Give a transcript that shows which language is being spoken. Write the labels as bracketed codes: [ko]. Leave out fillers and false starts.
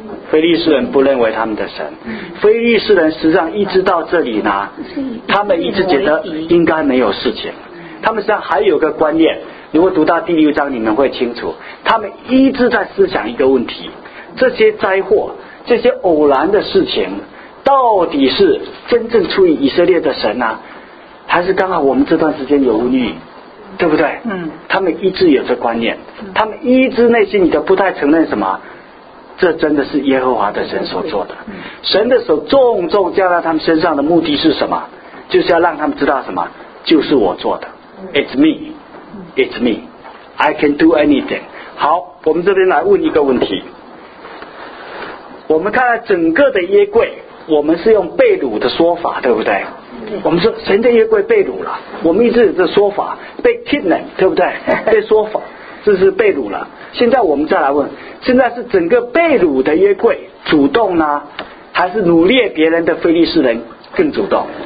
[zh] 非利士人不认为他们的神，非利士人实际上一直到这里呢，他们一直觉得应该没有事情，他们实际上还有个观念，如果读到第六章你们会清楚，他们一直在思想一个问题，这些灾祸，这些偶然的事情，到底是真正出于以色列的神呢、还是刚好我们这段时间有瘟疫，对不对？他们一直有这观念，他们一直内心里都不太承认什么，这真的是耶和华的神所做的，神的手重重加在他们身上的目的是什么？就是要让他们知道什么？就是我做的 [en] ，It's me, I can do anything。 [zh] 好，我们这边来问一个问题。我们看了整个的耶柜，我们是用被掳的说法，对不对？我们说神的耶柜被掳了，我们一直有这说法，被 kidnapped， 对不对？这说法。这是被掳了，现在我们再来问，现在是整个被掳的约柜主动呢，还是掳掠别人的非利士人更主动？